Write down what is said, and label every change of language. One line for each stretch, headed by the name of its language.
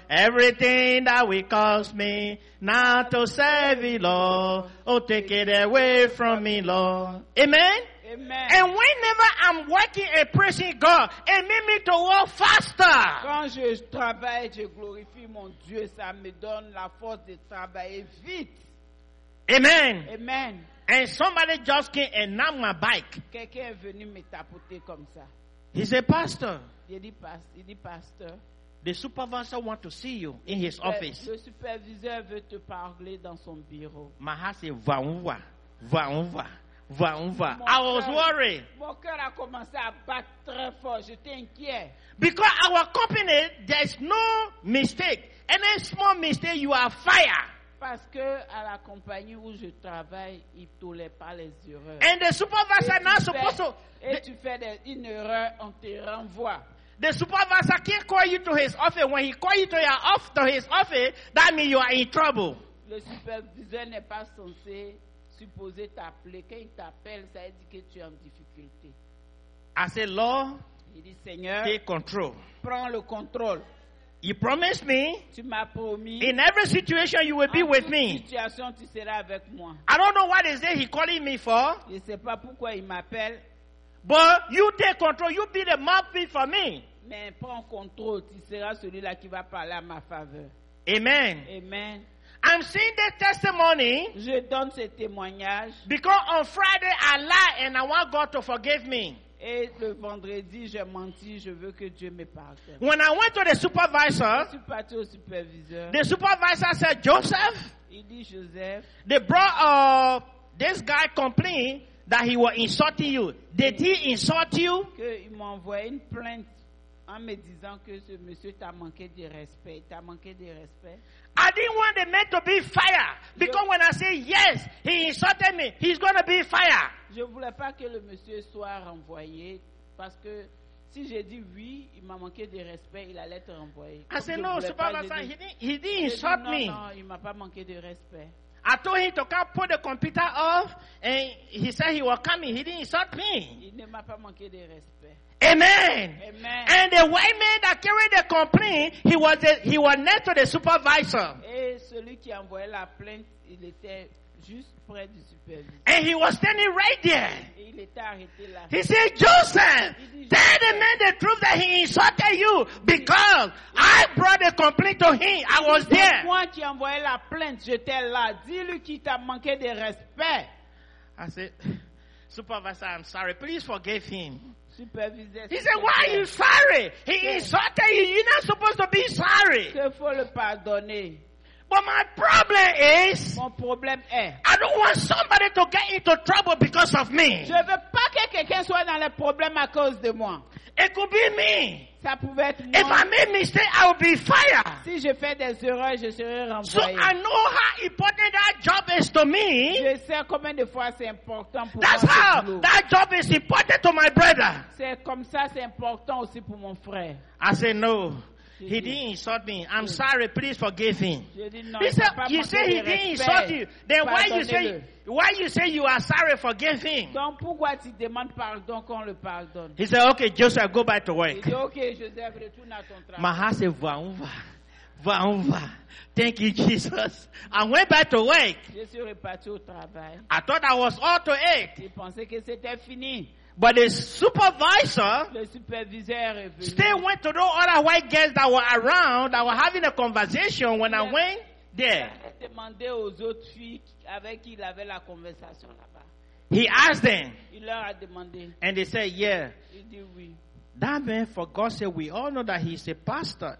English: Everything that will cost me not to serve you, Lord. Oh, take it away from me, Lord." Amen? Amen. And whenever I'm working and praising God, it makes me to walk faster.
French: Quand je travaille, je glorifie mon Dieu. Ça me donne la force de travailler vite.
English: Amen. Amen. And somebody just came and knocked my bike.
French: Quelqu'un est venu me tapoter comme ça.
English: He's a pastor.
French: Il dit pasteur.
English: The supervisor want to see you in his office.
French: Le superviseur veut te parler dans son bureau.
English: My heart said,
French: va on va.
English: I was worried.
French: Mon cœur a commencé à battre très fort. J'étais inquiet.
English: Because our company, there's no mistake. Any small mistake, you are fired.
French: Parce que à la compagnie où je travaille, ils ne tolèrent pas les erreurs.
English: And the supervisor not supposed to.
French: Et tu fais une erreur, on te renvoie.
English: The supervisor can't call you to his office. When he calls you to his office, that means you are in trouble.
French: Le superviseur n'est pas supposé t'appeler. Quand il t'appelle, ça veut dire que tu es en difficulté.
English: I said, "Lord,
French: il dit, Seigneur,
English: take control.
French: Prends le contrôle.
English: You promised me,
French: tu m'as promis,
English: in every situation you will be with me.
French: Situation, tu seras avec moi.
English: I don't know what is it he calling me for.
French: Je sais pas pourquoi il m'appelle.
English: But you take control. You be the mouthpiece for me.
French: Mais prends contrôle. Tu seras celui-là qui va parler à ma faveur."
English: Amen. Amen. I'm seeing the testimony.
French: Je donne ce témoignage.
English: Because on Friday I lie and I want God to forgive me.
French: Et le vendredi, j'ai menti, je veux que Dieu me pardonne.
English: When I went to the supervisor,
French: je suis parti au superviseur.
English: The supervisor said, Joseph,
French: il dit, Joseph,
English: they brought this guy complaining that he was insulting you. Did he insult you?
French: Que il m'a envoyé une plainte en me disant que ce monsieur t'a manqué de respect, t'a manqué de respect.
English: I didn't want the man to be fired because when I say yes, he insulted me. He's going to be fired.
French: Je voulais pas que le monsieur soit renvoyé parce que si j'ai dit oui, il m'a manqué de respect, il allait être renvoyé.
English: I said no, supervisor. He didn't insult me.
French: Non, il m'a pas manqué de respect.
English: I told him to come put the computer off, and he said he was coming. He didn't insult me.
French: Il ne m'a pas manqué de respect.
English: Amen. Amen. And the white man that carried the complaint, he was next to the supervisor.
French: Et celui qui envoyait la plainte, il était juste près du superviseur.
English: And he was standing right there.
French: Il était arrêté là.
English: He said, Joseph, tell the man the truth that he insulted you because I brought the complaint to him. I was there.
French: Moi qui envoyais la plainte, j'étais là. Dis-lui qu'il t'a manqué de respect.
English: I said, supervisor, I'm sorry. Please forgive him.
French: Superviseur.
English: He said, why are you sorry? He insulted you. You're not supposed to be sorry.
French: Il faut le pardonner.
English: But my problem is,
French: mon problème est,
English: I don't want somebody to get into trouble because of me.
French: Je veux pas que quelqu'un soit dans les problèmes à cause de moi.
English: It could be me.
French: Ça pouvait être moi.
English: If I make mistake, I will be fired.
French: Si je fais des erreurs, je serai renvoyé.
English: So I know how important that job is to me.
French: Je sais combien de fois c'est important pour
English: That's
French: moi.
English: That's how that job is important to my brother.
French: C'est comme ça, c'est important aussi pour mon frère.
English: I say no. He didn't insult me. I'm sorry. Please forgive him.
French: Dit, non,
English: he said he didn't insult you. Then why you say you are sorry? Forgive him.
French: Donc pourquoi tu demandes pardon quand le pardonne?
English: He said, okay, Joseph, go back to work.
French: Il dit, okay, Joseph, retourne à ton travail.
English: My heart said,
French: va, on va.
English: Thank you, Jesus. I went back to work.
French: Je suis reparti au travail.
English: I thought I was all to it.
French: Je pensais que c'était fini.
English: But the supervisor still went to know all the white guys that were around, that were having a conversation when I went there.
French: Il a demandé aux autres filles avec qui il avait la conversation là-bas.
English: He asked them.
French: Il leur a demandé.
English: And they said, yeah.
French: Il dit oui.
English: That man, for God's sake, we all know that he's a pastor.